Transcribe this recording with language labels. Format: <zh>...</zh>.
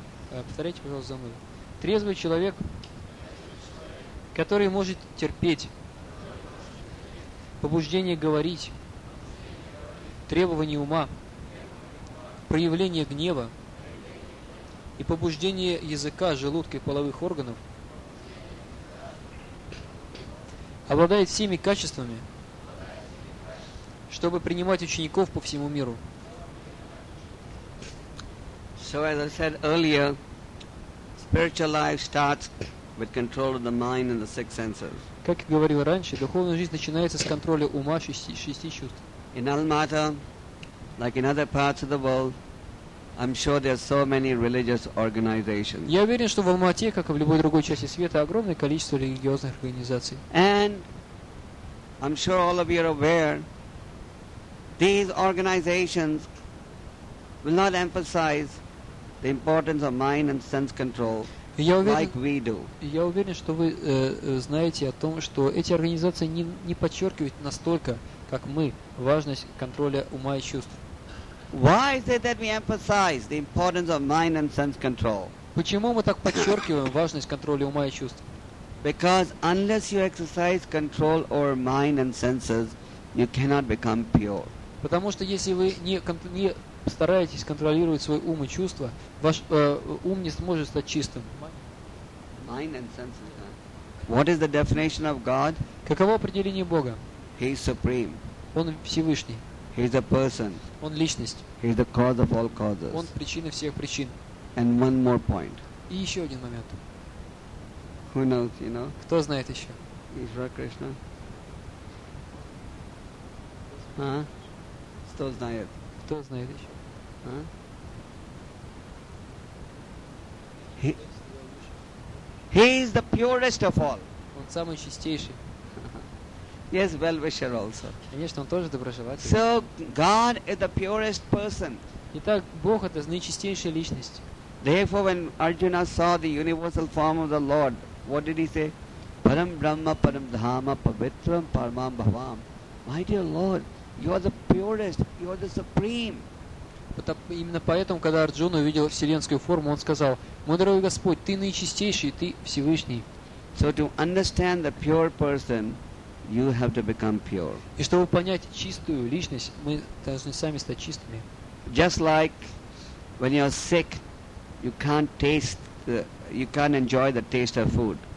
<ru>Повторяйте, пожалуйста, за мной. Трезвый человек, который может терпеть побуждение говорить, требование ума, проявление гнева и побуждение языка, желудка и половых органов, обладает всеми качествами, чтобы принимать учеников по всему миру.</ru> <en>So as I said earlier, spiritual life starts with control of the mind and the six senses.</en> <ru>Как я говорил раньше, духовная жизнь начинается с контроля ума и шести чувств.</ru> <en>In Almaty, like in other parts of the world, I'm sure there are so many religious organizations.</en> <ru>Я уверен, что в Алмате, как и в любой другой части света, огромное количество религиозных организаций.</ru> <en>And I'm sure all of you are aware these organizations will not emphasize the importance of mind and sense control, like we do.</en> <ru>Я уверен, что вы знаете о том, что эти организации не подчеркивают настолько, как мы, важность контроля ума и чувств.</ru> <en>Why is it that we emphasize the importance of mind and sense control?</en> <ru>Почему мы так подчеркиваем важность контроля ума и чувств?</ru> <en>Because unless you exercise control over mind and senses, you cannot become pure.</en> <ru>Потому что если вы не стараетесь контролировать свой ум и чувства, ваш ум не сможет стать чистым.</ru> <en>Mind and senses, huh? What is the definition of God?</en> <ru>Каково определение Бога?</ru> <en>He is supreme.</en> <ru>Он Всевышний.</ru> <en>He is a person.</en> <ru>Он Личность.</ru> <en>He is the cause of all causes.</en> <ru>Он причина всех причин.</ru> <en>And one more point.</en> <ru>И еще один момент.</ru> <en>Who knows, you know?</en> <ru>Кто знает еще? Ишвара Кришна. Кто знает? Кто знает еще?</ru> <en>He is the purest of all.</en> <ru>Он самый чистейший.</ru> <en>Yes, well-wisher also.</en> <ru>Конечно, он тоже доброжелатель.</ru> <en>So God is the purest person.</en> <ru>Итак, Бог это наичистейшая личность.</ru> <en>Therefore, when Arjuna saw the universal form of the Lord, what did he say?</en> <sa>Param Brahma, Param Dhamma, Pavitram, Paramam Bhavam.</sa> <en>My dear Lord, you are the purest. You are the supreme.</en> <ru>Вот именно поэтому, когда Арджуна увидел вселенскую форму, он сказал: «Мой дорогой Господь, ты наичистейший, ты Всевышний».</ru> <en>So to understand the pure person, you have to become pure.</en> <ru>И чтобы понять чистую личность, мы должны сами стать чистыми.</ru> <en>Just like when you're sick, you can't taste, you can't enjoy the taste of food.</en>